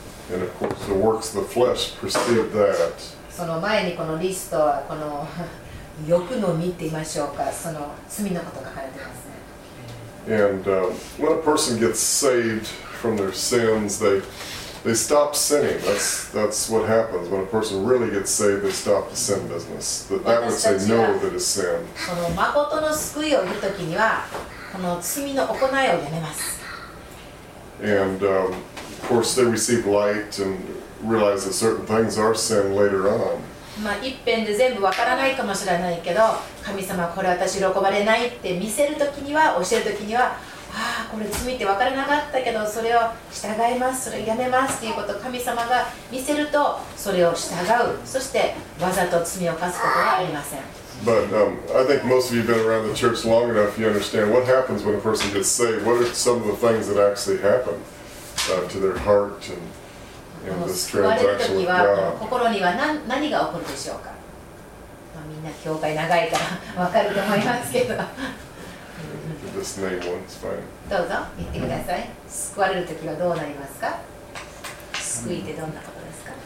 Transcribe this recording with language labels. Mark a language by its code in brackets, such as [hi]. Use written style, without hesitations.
[en] And of course, the works of the flesh precede that. [ja] その前にこのリストはこの欲の実って言いましょうか、その罪のこと書かれてますね。 [en] And when a person gets saved from their sins, they stop sinning. That's what happens. When a person really gets saved, they stop the sin business. That would say no to the sin. [ja] この誠の救いを得るときには、この罪の行いをやめます。 [en] And of course they receive light and realize that certain things are sin later on. [ja] まあ一遍で全部わからないかもしれないけど、神様これ私喜ばれないって見せるときには、教えるときには、ああこれ罪って分からなかったけど、それを従います、それをやめますということを神様が見せると、それを従う、そしてわざと罪を犯すことはありません。 [en] But I think most of you have been around the church long enough, you understand what happens when a person gets saved, what are some of the things that actually happen to their heart and this transaction with God. [ja] 心には 何が起こるでしょうか。まあ、みんな教会長いから分かると思いますけど。 [en] This name one, it's fine. [ja] どうぞ言ってください。救われるときはどうなりますか。救いってどんなことですか。